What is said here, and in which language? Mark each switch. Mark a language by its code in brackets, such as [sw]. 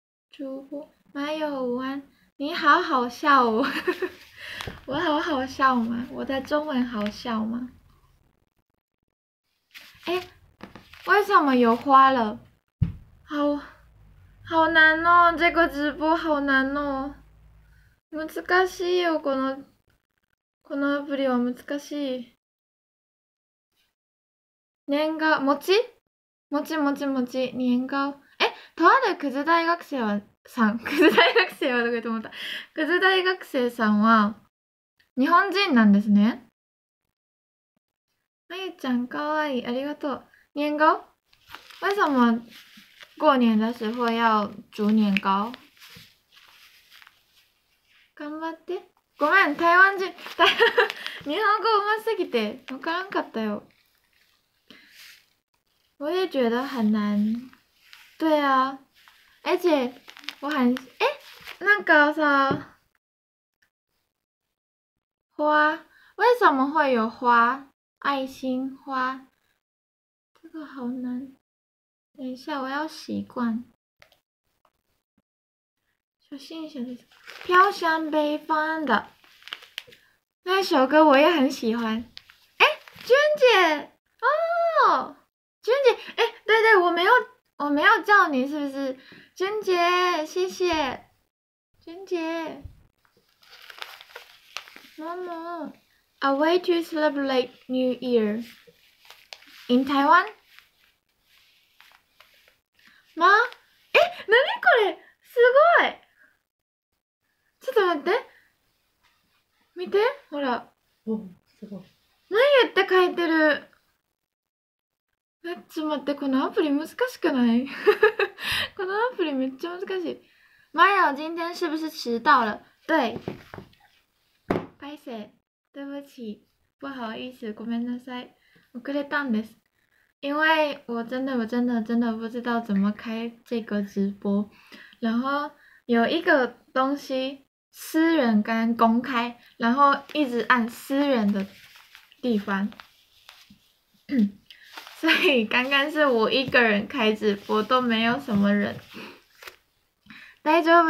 [zh] 主播，麻友午安，你好好笑哦，我好好笑吗？我的中文好笑吗？哎，为什么有花了？好，好难哦，这个直播好难哦。 [ja] 難しいよ、このアプリは難しい。 [zh] 年糕、餅？餅、年糕。 [ja] え、とあるクズ大学生は、さん、クズ大学生はどこ行って思った。クズ大学生さんは、日本人なんですね。まゆちゃんかわいい、ありがとう。 [zh] 年糕？为什么过年的时候要煮年糕？ [ja] 頑張って。ごめん、台湾人、日本語上手すぎて分からんかったよ。 [zh] 我也觉得很难。对啊，而且我很……哎，那个啥，花，为什么会有花？爱心花，这个好难。等一下，我要习惯。小心一下，飘向北方的那首歌我也很喜欢。娟姐，哦，娟姐，对，我没有叫你，是不是？ [en] 娟姐，谢谢，娟姐，妈妈，A way to celebrate New Year in Taiwan。 [ja] ま、何これ、すごい。ちょっと待って、見て、ほら、お、すごい。何やって書いてる。え、ちょっと待って、このアプリ難しくない？このアプリめっちゃ難しい。 [zh] マヨ、今天是不是迟到了？对。拍摄、对不起、不好意思、 [ja] ごめんなさい。遅れたんです。 [zh] 因为我真的不知道怎么开这个直播，然后有一个东西私人跟公开，然后一直按私人的地方，所以刚刚是我一个人开直播，都没有什么人。 [ja] 大丈夫？